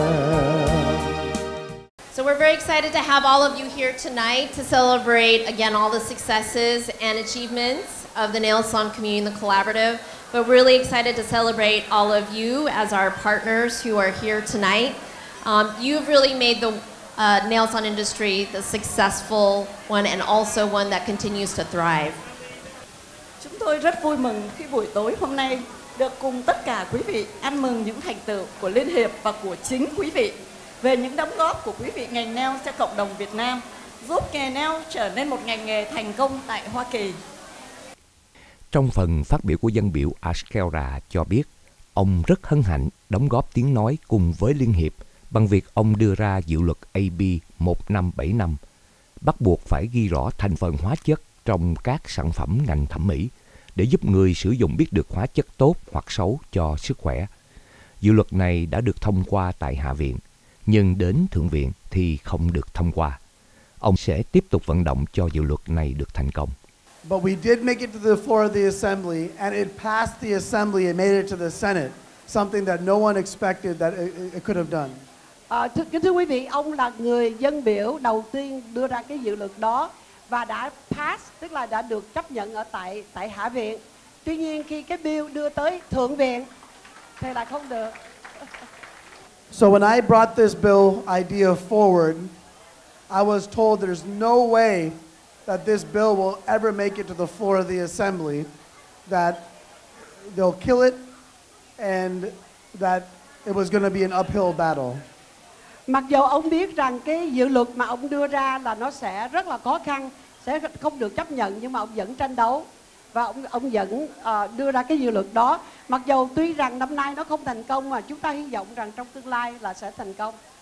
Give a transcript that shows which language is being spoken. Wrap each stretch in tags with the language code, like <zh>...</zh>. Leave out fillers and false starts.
<en>So we're very excited to have all of you here tonight to celebrate again all the successes and achievements of the Nail Salon Community and the Collaborative. But really excited to celebrate all of you as our partners who are here tonight. You've really made the nail salon industry the successful one and also one that continues to thrive.</en> <vi>Chúng tôi rất vui mừng khi buổi tối hôm nay được cùng tất cả quý vị ăn mừng những thành tựu của Liên Hiệp và của chính quý vị về những đóng góp của quý vị ngành nail cho cộng đồng Việt Nam, giúp nghề nail trở nên một ngành nghề thành công tại Hoa Kỳ. Trong phần phát biểu của dân biểu Askelra cho biết, ông rất hân hạnh đóng góp tiếng nói cùng với Liên Hiệp bằng việc ông đưa ra dự luật AB 1575, bắt buộc phải ghi rõ thành phần hóa chất trong các sản phẩm ngành thẩm mỹ để giúp người sử dụng biết được hóa chất tốt hoặc xấu cho sức khỏe. Dự luật này đã được thông qua tại Hạ viện, nhưng đến Thượng viện thì không được thông qua. Ông sẽ tiếp tục vận động cho dự luật này được thành công.</vi> <en>But we did make it to the floor of the assembly, and it passed the assembly and made it to the Senate, something that no one expected that it could have done.</en> <vi>Thưa quý vị, ông là người dân biểu đầu tiên đưa ra cái dự luật đó và đã pass, tức là đã được chấp nhận ở tại Hạ viện. Tuy nhiên khi cái bill đưa tới Thượng viện thì là không được.</vi> <en>So when I brought this bill idea forward, I was told there's no way that this bill will ever make it to the floor of the assembly, that they'll kill it, and that it was going to be an uphill battle.</en> <vi>Mặc dù ông biết rằng cái dự luật mà ông đưa ra là nó sẽ rất là khó khăn, sẽ không được chấp nhận, nhưng mà ông vẫn tranh đấu và ông vẫn đưa ra cái dự luật đó. Mặc dù tuy rằng năm nay nó không thành công, mà chúng ta hy vọng rằng trong tương lai là sẽ thành công.</vi>